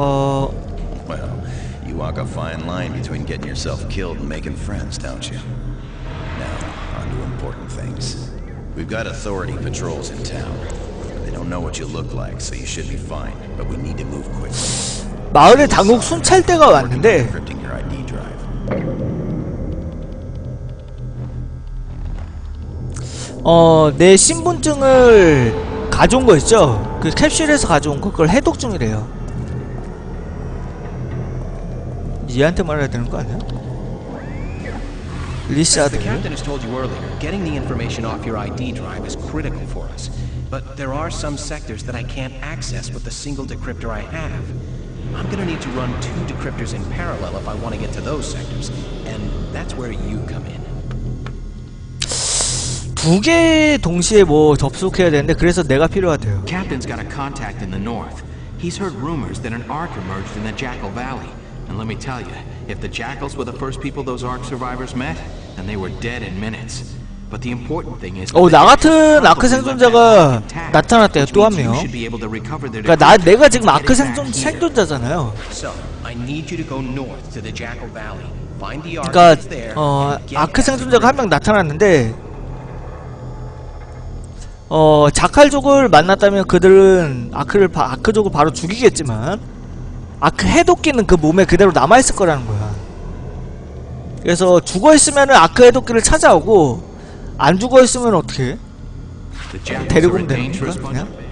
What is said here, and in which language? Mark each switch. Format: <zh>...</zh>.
<en>Walk a fine line between getting yourself killed and making friends, don't you? Now, on to important things. We've got authority patrols in town. They don't know what you look like, so you should be fine. But we need to move quickly.</en> <ko>마을에 당국 순찰 때가 왔는데. 그렇게</ko> <en>your ID drive.</en> <ko>내 신분증을 가져온 거 있죠? 그 캡슐에서 가져온 거, 그걸 해독 중이래요. 얘한테 말해야 되는 거 아니야? 리시아드.</ko> <en>The captain has told you earlier, getting the information off your ID drive is critical for us. But there are some sectors that I can't access with the single decryptor I have. I'm gonna need to run two decryptors in parallel if I want to get to those sectors, and that's where you come in.</en> <ko>두 개 동시에 뭐 접속해야 되는데 그래서 내가 필요하대요.</ko> <en>Captain's got a contact in the north. He's heard rumors that an ark emerged in the Jackal Valley. And let me tell you, if the Jackals were the first people those Ark survivors met, then they were dead in minutes. But the important thing is,</en> <ko>나 같은 아크 생존자가 나타났대요. 또 한 명. 그러니까 내가 지금 아크 생존자잖아요.</ko> <en>So, I need you to go north to the Jackal Valley. Find the Ark there.</en> <ko>아크 생존자가 한 명 나타났는데 자칼족을 만났다면 그들은 아크족을 바로 죽이겠지만 아크 해독기는 그 몸에 그대로 남아있을 거라는 거야. 그래서 죽어있으면은 아크 해독기를 찾아오고 안 죽어있으면 어떻게 데리고 오면 되는 건가 그냥?</ko>